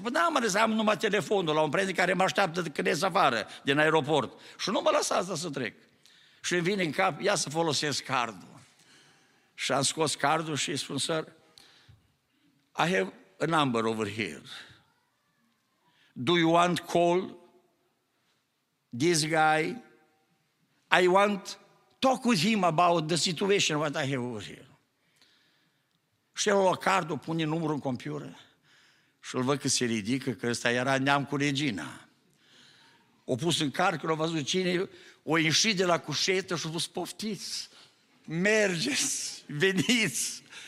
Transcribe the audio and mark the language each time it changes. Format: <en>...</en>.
<ro>Păi n-am adresa, am numai telefonul la un prieten care mă așteaptă când ies afară din aeroport. Și nu mă lăsa asta să trec. Și îmi vine în cap, ia să folosesc cardul. Și am scos cardul și îi spun,</ro> <en>sir, I have a number over here. Do you want call this guy? I want talk with him about the situation what I have over here.</en> <ro>Și el lua cardul, pune numărul în computer și îl văd că se ridică, că ăsta era neam cu regina. O pus în car, când a văzut cine, o ieșit de la cușetă și a spus, poftiți, mergeți, veniți.</ro>